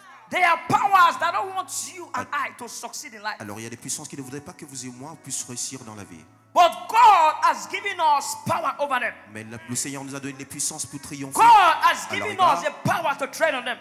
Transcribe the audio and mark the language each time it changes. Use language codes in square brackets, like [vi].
[en] They are powers that don't want you and I to succeed in life. [fr] Alors, il y a des puissances qui ne voudraient pas que vous et moi puissions réussir dans la vie. [en] But God has given us power over them. [fr] Mais le Seigneur nous a donné des puissances pour triompher. [en] God has given us the power to tread on them.